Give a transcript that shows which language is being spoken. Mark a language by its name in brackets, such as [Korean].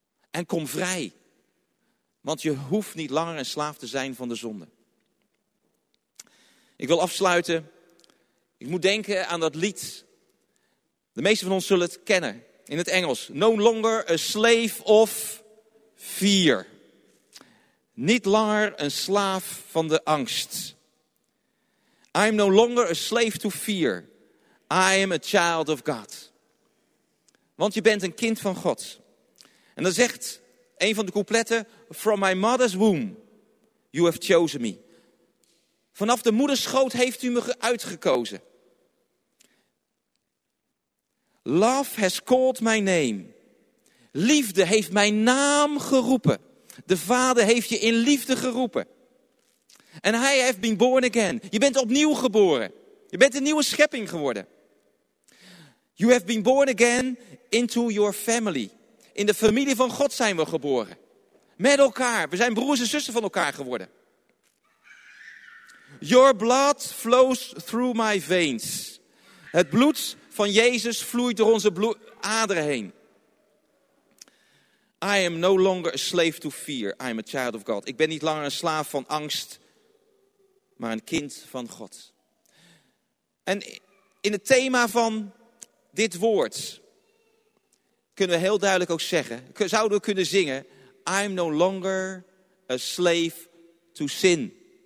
[Dutch] En kom vrij. Want je hoeft niet langer een slaaf te zijn van de zonde. Ik wil afsluiten. Ik moet denken aan dat lied. De meeste van ons zullen het kennen. In het Engels. [English] No longer a slave of fear. [Dutch] Niet langer een slaaf van de angst. [English] I am no longer a slave to fear. I am a child of God. [Dutch] Want je bent een kind van God. En dan zegt een van de coupletten, [English] from my mother's womb, you have chosen me. [Dutch] Vanaf de moederschoot heeft u me uitgekozen. [English] Love has called my name. [Dutch] Liefde heeft mijn naam geroepen. De Vader heeft je in liefde geroepen. [English] And I have been born again. [Dutch] Je bent opnieuw geboren. Je bent een nieuwe schepping geworden. [English] You have been born again into your family. [Dutch] In de familie van God zijn we geboren. Met elkaar. We zijn broers en zussen van elkaar geworden. [English] Your blood flows through my veins. [Dutch] Het bloed van Jezus vloeit door onze aderen heen. [English] I am no longer a slave to fear. I am a child of God. [Dutch] Ik ben niet langer een slaaf van angst, maar een kind van God. En in het thema van dit woord kunnen we heel duidelijk ook zeggen, zouden we kunnen zingen, [English] I'm no longer a slave to sin.